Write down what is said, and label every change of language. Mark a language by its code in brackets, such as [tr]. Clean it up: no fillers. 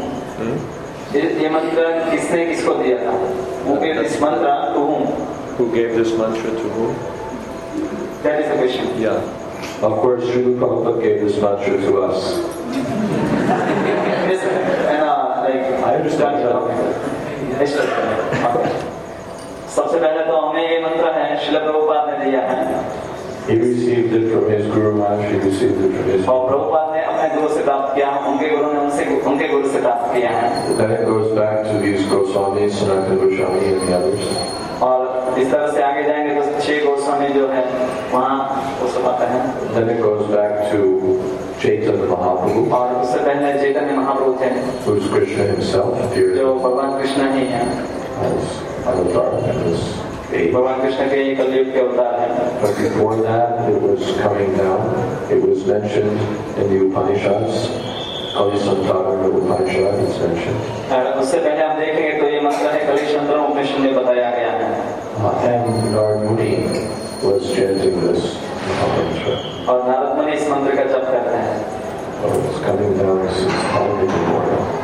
[hi] Okay. ये जो मंत्र है किसने दिया है और किसको दिया? [en] Okay. Who gave to whom? Hmm? [hi] ये मंत्र किसने किसको दिया था? [en] Who gave this mantra to whom? That is the question. Yeah. Of course, Srila Prabhupada gave this mantra to us. Yes, and I understand that. Yes, sir. Okay. [hi] सबसे पहले तो हमें ये मंत्र है श्रील प्रभुपाद ने दिया है. [en] He received it from his guru Maharaj. He received it from his. [hi] और प्रभुपाद ने अपने गुरु से प्राप्त किया. उनके गुरु ने उनसे उनके गुरु से प्राप्त किया है. [en] Then it goes back to these Goswami, Sanatan Goswami and the others. [hi] और इस तरह से आगे जाएंगे तो छह गोस्वामी जो है वहाँ वो सब आते हैं. [en] Then it goes back to Chaitanya Mahaprabhu. [hi] और उससे पहले चैतन्य महाप्रभु थे. [en] Who is Krishna himself? [hi] जो भगवान कृष्ण ही है. भगवान कृष्ण के ये कलयुग के अवतार हैं. [en] But before that, it was coming down. It was mentioned in the Upanishads. Kali Santara in the Upanishad is mentioned. [hi] उससे पहले आप देखेंगे तो ये मंत्र है कली संतर उपनिषद में बताया गया है. [en] And Narad Muni was chanting this mantra. [hi] और नारद मुनि इस मंत्र का जप करते हैं. [en] It's coming down as it's probably the morning.